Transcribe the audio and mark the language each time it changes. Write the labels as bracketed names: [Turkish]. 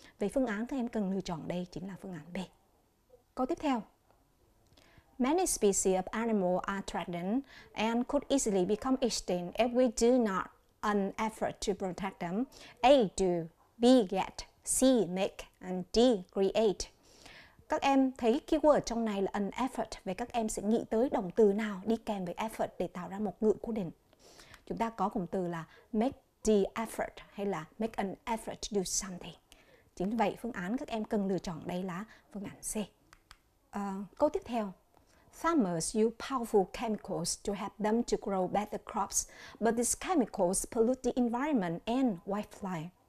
[Vietnamese] Vậy phương án các em cần lựa chọn đây chính là phương án B. Câu tiếp theo. [English] Many species of animals are threatened and could easily become extinct if we do not an effort to protect them. A. Do. B. Get. C. Make. And D. Create. [Vietnamese] Các em thấy keyword trong này là an effort. Vậy các em sẽ nghĩ tới động từ nào đi kèm với effort để tạo ra một ngữ cố định. Chúng ta có cụm từ là [English] make the effort [Vietnamese] hay là [English] make an effort to do something. [Vietnamese] Chính vậy phương án các em cần lựa chọn đây là phương án C. Câu tiếp theo. [English] Farmers use powerful chemicals to help them to grow better crops, but these chemicals pollute the environment and wildlife.